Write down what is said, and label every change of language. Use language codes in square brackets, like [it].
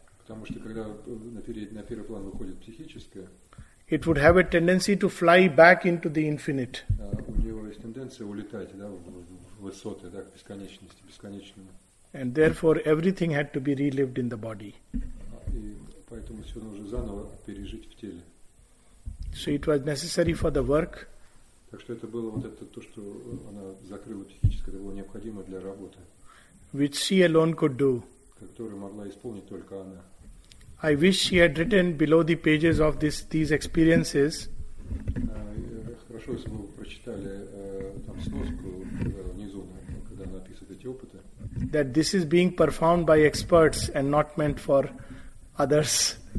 [ru] потому что когда на первый план выходит психическое, [en] it would have a tendency to fly back into the infinite. [ru] У него есть тенденция улетать, да, в высоты, да, к бесконечности, бесконечному. [en] And therefore everything had to be relived in the body. [ru] И поэтому все нужно заново пережить в теле. [en] So it was necessary for the work. [ru] Так что это было вот это то, что она закрыла психически, это было необходимо для работы. [en] Which she alone could do. [ru] Которую могла исполнить только она. [en] I wish she had written below the pages of these experiences. [ru] Хорошо, если бы вы прочитали там сноску внизу, когда она описывает эти опыты. [en] That this is being performed by experts and not meant for others.